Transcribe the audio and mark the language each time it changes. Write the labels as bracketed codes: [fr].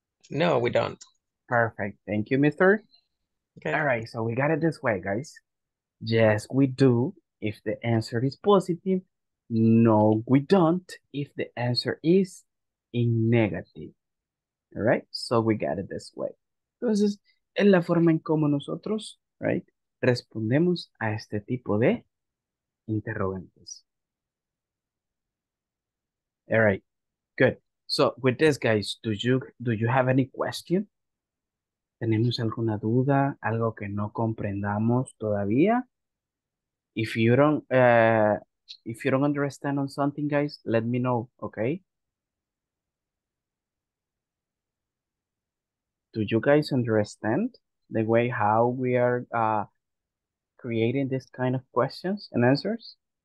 [en] No, we don't. Perfect. Thank you, mister. Okay. All right, so we got it this way, guys. Yes, we do. If the answer is positive, no, we don't. If the answer is in negative, all right? So we got it this way. [es] Entonces, es la forma en cómo nosotros, right, respondemos a este tipo de interrogantes. [en] All right, good. So with this, guys, do you have any question? [es] ¿Tenemos alguna duda, algo que no comprendamos todavía? [en] If you don't understand on something, guys, let me know, okay? Do you guys understand the way how we are creating this kind of questions and answers?